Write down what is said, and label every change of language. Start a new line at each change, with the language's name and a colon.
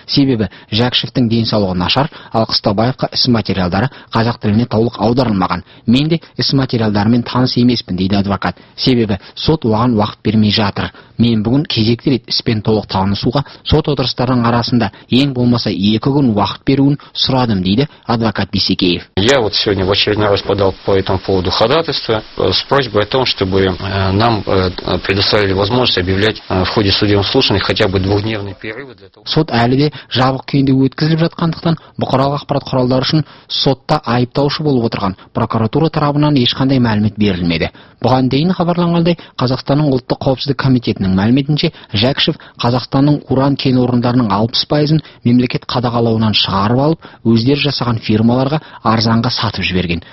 Kazakh: Себебі Жәкішевтің денсаулығы нашар, ал Қыстаубаевқа іс материалдары қазақ тіліне толық аударылмаған. Мен де іс материалдарымен таныс емеспін, дейді адвокат. Себебі сот оған уақыт бермей жатыр. Мен бүгін кезекті рет іспен толық танысуға, сот отырыстарының арасында ең болмаса екі күн үшін уақыт беруін сұрадым, дейді адвокат Бисекеев.
Russian: Я вот сегодня в очередной раз подал по этому поводу ходатайство с просьбой о том, чтобы нам предоставили возможность объявлять в ходе судебного слушания хотя бы двухдневный перерыв для того.
Kazakh: Сот әлі де жабық күйінде өткізіліп жатқандықтан бұқаралық ақпарат құралдары үшін сотта айыптаушы болып отырған прокуратура тарапынан ешқандай мәлімет берілмеді. Бұған дейін хабарланғандай, Қазақстанның ұлттық қауіпсіздік комитетінің мәліметінше, Жәкішев Қазақстанның уран кен орындарының 60% мемлекет қадағалауынан шығарып алып, өздері жасаған фирмаларға арзанға сатып жіберген.